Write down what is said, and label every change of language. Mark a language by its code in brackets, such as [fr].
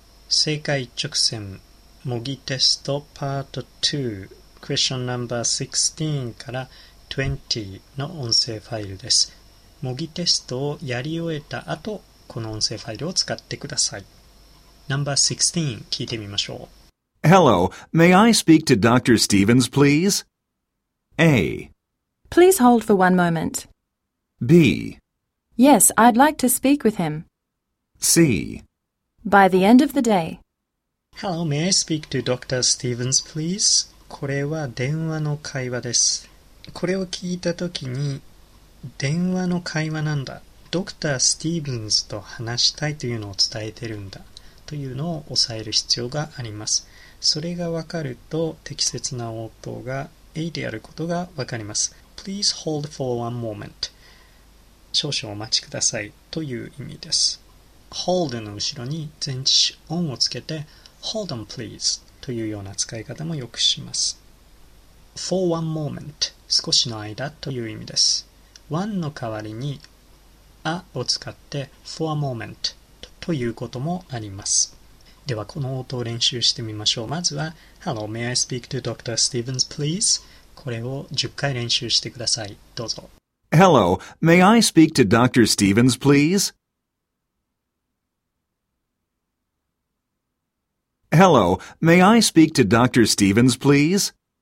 [ja] 正解直線模擬テストパート2クエスチョンナンバー16から20の音声ファイルです。模擬テストをやり終えた後、この音声ファイルを使ってください。ナンバー16聞いてみましょう。 [en] Hello, may I speak to Dr. Stevens, please? A. Please hold for one moment. B. Yes, I'd like to speak with him. C. By the end of the day. Hello, may I speak to Dr. Stevens, please? [ja] これは電話の会話です。これを聞いたときに、電話の会話なんだ。ドクター・スティーブンズと話したいというのを伝えてるんだ。というのを押さえる必要があります。それがわかると、適切な応答が A であることがわかります。 Please hold for one moment. 少々お待ちくださいという意味です。Hold の後ろに前置詞 on をつけて [en] Hold on please [ja] というような使い方もよくします。 [en] For one moment [ja] 少しの間という意味です。 One の代わりに A を使って [en] For a moment [ja] ということもあります。ではこの音を練習してみましょう。まずは [en] Hello, may I speak to Dr. Stevens please? [ja] これを10回練習してください。どうぞ。 [en] Hello, may I speak to Dr. Stevens please? Hello, may I speak to Dr. Stevens, please?